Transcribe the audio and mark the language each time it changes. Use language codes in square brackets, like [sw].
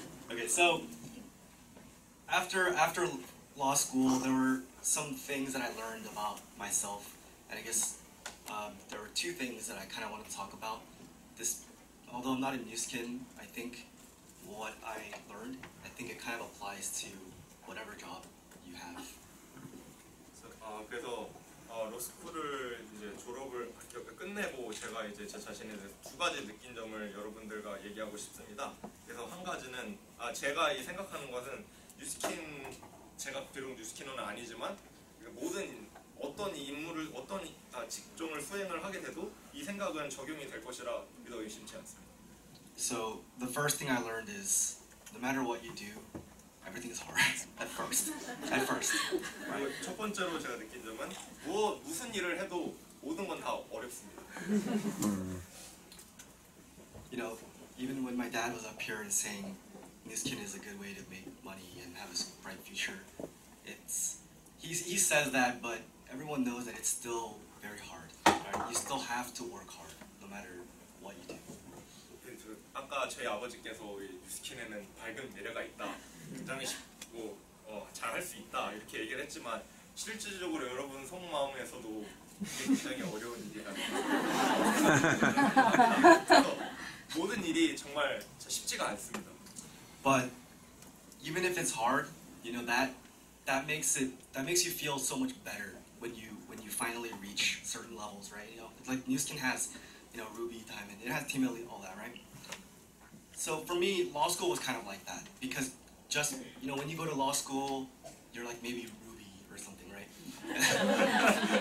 [en] Okay, so after law school, there were some things that I learned about myself, and I guess there were two things that I kind of want to talk about. This, although I'm not a new skin, I think what I learned, I think it kind of applies to whatever job you have. [ko] So, 그래서 로스쿨을 이제 졸업을 끝내고 제가 이제 제 자신에 대해서 두 가지 느낀 점을 여러분들과 얘기하고 싶습니다. 그래서 한 가지는 제가 이 생각하는 것은 뉴스킨, 제가 비록 뉴스킨은 아니지만 모든 어떤 임무를 어떤 직종을 수행을 하게 돼도 이 생각은 적용이 될 것이라 믿어 의심치 않습니다. [en] So the first thing I learned is no matter what you do, everything is hard at first. Right? [ko] 첫 번째로 제가 느낀 점은 무슨 일을 해도 모든 건 다 어렵습니다. [en] You know, even when my dad was up here and saying Niskin is a good way to make money and have a bright future, he says that, but everyone knows that it's still very hard. You still have to work hard, no matter what you do. [ko] 아까 저희 아버지께서 뉴스킨에는 밝은 미래가 있다, 굉장히 쉽고 잘할 수 있다 이렇게 얘기를 했지만 실질적으로 여러분 속마음에서도 굉장히 어려운 일이라서 모든 일이 정말 쉽지가 않습니다. [en] But even if it's hard, you know that makes you feel so much better when you finally reach certain levels, right? You know, like Newskin has, you know, Ruby, Diamond, it has Team Elite, all that, right? So for me, law school was kind of like that, because just, you know, when you go to law school, you're like maybe Ruby or something, right?